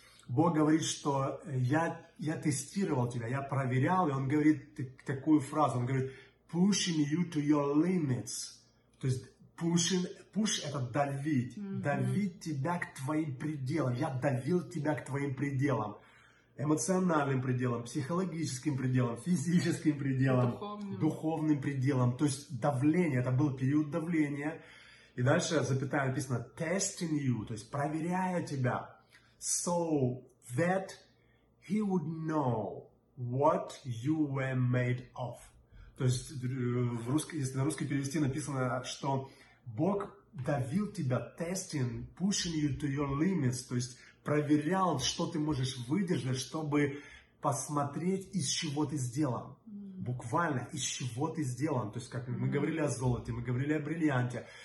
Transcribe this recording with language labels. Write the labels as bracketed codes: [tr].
[ru] Бог говорит, что я тестировал тебя, я проверял, и он говорит такую фразу, он говорит pushing you to your limits, то есть push это давить, давить тебя к твоим пределам, я давил тебя к твоим пределам, эмоциональным пределам, психологическим пределам, физическим пределам, духовным пределам, то есть давление, это был период давления, и дальше запятая написано testing you, то есть проверяя тебя. [en] So that he would know what you were made of. [ru] То есть, если на русский перевести, написано, что Бог давил тебя, testing, pushing you to your limits, то есть проверял, что ты можешь выдержать, чтобы посмотреть, из чего ты сделан. Буквально, из чего ты сделан. То есть, как мы говорили о золоте, мы говорили о бриллианте.